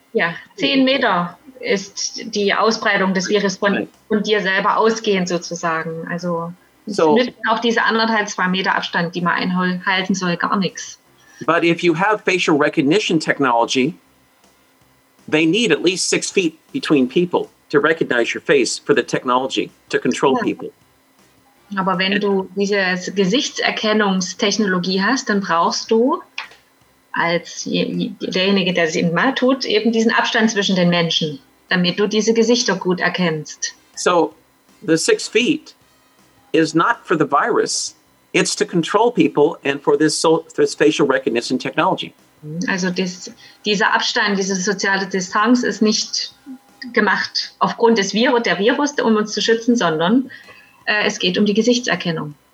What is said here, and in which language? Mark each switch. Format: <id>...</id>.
<de>Ja, 10 Meter ist die Ausbreitung des Virus von dir selber ausgehend sozusagen. Also auch diese 1,5-2 Meter Abstand, die man einhalten soll, gar nichts.</de> <en>But if you have facial recognition technology, they need at least 6 feet between people to recognize your face for the technology to control people.</en> <de>Aber wenn du diese Gesichtserkennungstechnologie hast, dann brauchst du als derjenige, der es eben mal tut, eben diesen Abstand zwischen den Menschen, damit du diese Gesichter gut erkennst.</de> <en>So, the 6 feet is not for the virus, it's to control people and for this, this facial recognition technology.</en> <de>Also dieser Abstand, diese soziale Distanz ist nicht gemacht aufgrund des Virus, der Virus, um uns zu schützen, sondern es geht um die Gesichtserkennung.</de>